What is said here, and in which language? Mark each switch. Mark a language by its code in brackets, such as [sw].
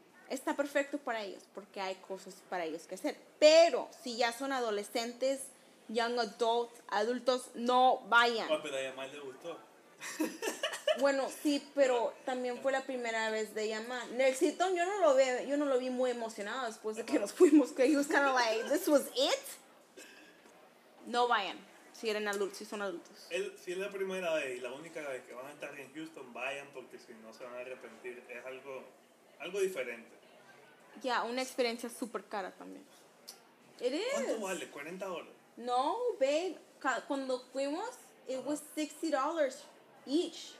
[es] Está perfecto para ellos porque hay cosas para ellos que hacer. Pero si ya son adolescentes, [en] young adults, [es] adultos, no vayan. Oh, pero a Yamal le gustó. Bueno, sí, pero también fue la primera vez de Yamal. Nelsito, yo no lo vi muy emocionado después de que nos fuimos. [en] Que he was kind of like, this was it. [es] No vayan, si son adultos. Si es la primera vez y la única vez que van a estar en Houston, vayan porque si no se van a arrepentir. Es algo diferente. Ya, una experiencia súper cara también. ¿Cuánto vale? $40. No, babe. Cuando fuimos, [en] it was $60 each.